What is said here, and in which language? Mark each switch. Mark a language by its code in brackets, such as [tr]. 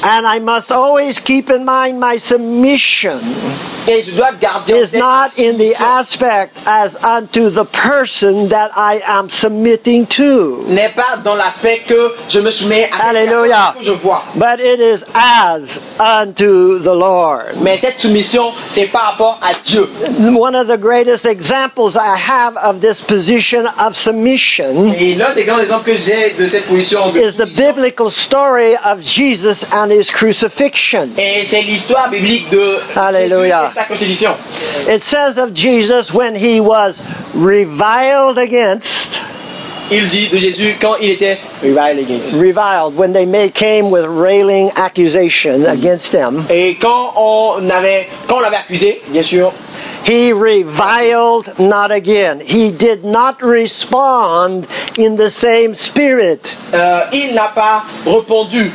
[en] And I must always keep in mind my submission [fr] et je dois garder [en] is not in the aspect as unto the person that I am submitting to. [fr] N'est pas dans l'aspect que je me soumets à la personne que je vois. [en] But it is as unto the Lord. [fr] Mais cette soumission, c'est par rapport à Dieu. [en] One of the greatest examples I have of this position of submission is the biblical story of Jesus and his crucifixion. [fr] Et c'est l'histoire biblique de hallelujah Jésus et sa crucifixion. [en] It says of Jesus when he was reviled against. [fr] Il dit de Jésus quand il était [en] reviled against. Reviled when they came with railing accusations against him. [fr] Et quand on l'avait accusé, bien sûr. [en] He reviled not again. He did not respond in the same spirit. [fr] Il n'a pas répondu.